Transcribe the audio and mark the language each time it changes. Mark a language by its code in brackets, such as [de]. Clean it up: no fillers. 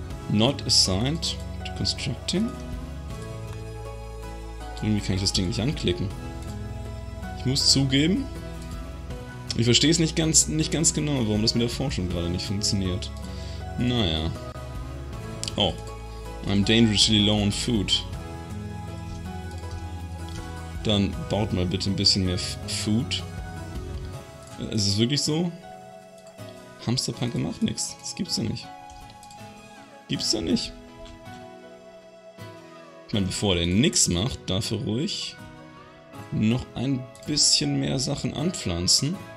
[en] Not assigned to constructing? [de] Irgendwie kann ich das Ding nicht anklicken. Ich muss zugeben, ich verstehe es nicht ganz genau, warum das mit der Forschung gerade nicht funktioniert. Naja. Oh. [en] I'm dangerously low on food. [de] Dann baut mal bitte ein bisschen mehr Food. Es ist wirklich so. Hamsterpanke macht nichts. Das gibt's ja nicht. Gibt's ja nicht. Ich meine, bevor der nichts macht, darf er ruhig noch ein bisschen mehr Sachen anpflanzen.